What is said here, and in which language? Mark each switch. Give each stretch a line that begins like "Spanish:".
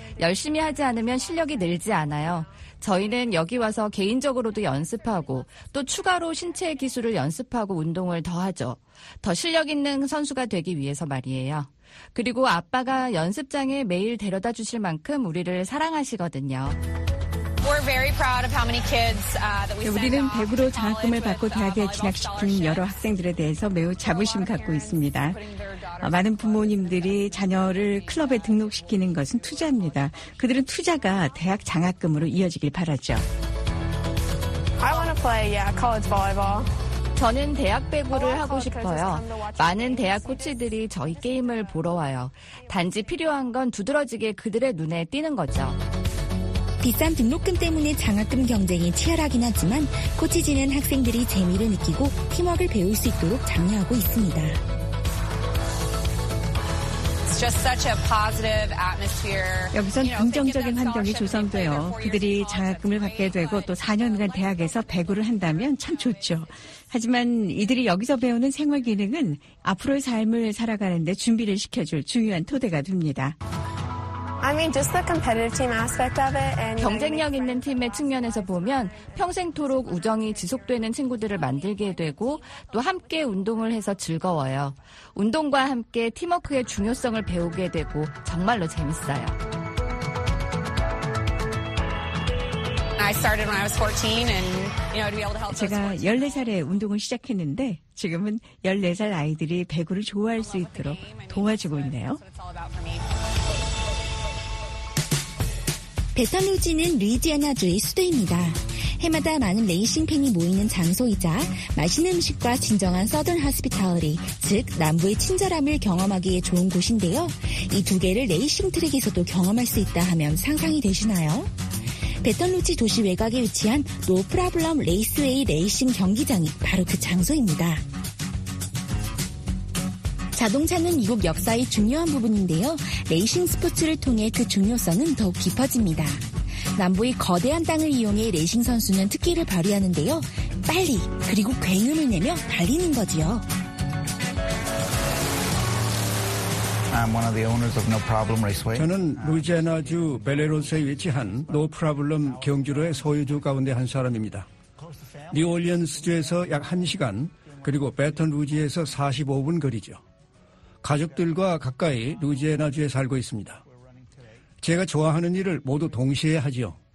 Korean: 열심히 하지 않으면 실력이 늘지 않아요. 저희는 여기 와서 개인적으로도 연습하고 또 추가로 신체 기술을 연습하고 운동을 더 하죠. 더 실력 있는 선수가 되기 위해서 말이에요. 그리고 아빠가 연습장에 매일 데려다 주실 만큼 우리를 사랑하시거든요.
English: We're very proud of how many kids that we send.
Korean: 우리는 100으로 장학금을 받고 대학에 진학시킨 여러 학생들에 대해서 매우 자부심 갖고 있습니다. 많은 부모님들이 자녀를 클럽에 등록시키는 것은 투자입니다. 그들은 투자가 대학 장학금으로 이어지길 바라죠.
English: I want to play college volleyball.
Korean: 저는 대학 배구를 하고 싶어요. 많은 대학 코치들이 저희 게임을 보러 와요. 단지 필요한 건 두드러지게 그들의 눈에 띄는 거죠. 비싼 등록금 때문에 장학금 경쟁이 치열하긴 하지만 코치진은 학생들이 재미를 느끼고 팀워크를 배울 수 있도록 장려하고 있습니다.
English: It's just such a positive atmosphere.
Korean: 여기선 긍정적인 환경이 조성돼요. 그들이 장학금을 받게 되고 또 4년간 대학에서 배구를 한다면 참 좋죠. 하지만 이들이 여기서 배우는 생활 기능은 앞으로의 삶을 살아가는 데 준비를 시켜줄 중요한 토대가 됩니다.
English: I mean, just the competitive team aspect of it. And
Korean: 경쟁력 있는 팀의 측면에서 보면 평생토록 우정이 지속되는 친구들을 만들게 되고 또 함께 운동을 해서 즐거워요. 운동과 함께 팀워크의 중요성을 배우게 되고 정말로 재밌어요.
English: I started when I was 14 and, you know, to be able to help.
Korean: 제가 14살에 운동을 시작했는데 지금은 14살 아이들이 배구를 좋아할 수 있도록 도와주고 있네요. 베타루지는 루이지애나주의 수도입니다. 해마다 많은 레이싱 팬이 모이는 장소이자 맛있는 음식과 진정한 서든 하스피탈리, 즉 남부의 친절함을 경험하기에 좋은 곳인데요. 이 두 개를 레이싱 트랙에서도 경험할 수 있다 하면 상상이 되시나요? 베타루지 도시 외곽에 위치한 노 프라블럼 레이스웨이 레이싱 경기장이 바로 그 장소입니다. 자동차는 미국 역사의 중요한 부분인데요. 레이싱 스포츠를 통해 그 중요성은 더욱 깊어집니다. 남부의 거대한 땅을 이용해 레이싱 선수는 특기를 발휘하는데요. 빨리 그리고 굉음을 내며 달리는 거지요.
English: I'm one of the owners of No Problem Raceway.
Korean: 저는 루이지애나주 벨레론스에 위치한 노 프라블럼 경주로의 소유주 가운데 한 사람입니다. 뉴올리언스주에서 약 1시간 그리고 베톤루지에서 45분 거리죠. 가족들과 가까이 루이지애나주에 살고 있습니다. 제가 좋아하는 일을 모두 동시에 하지요.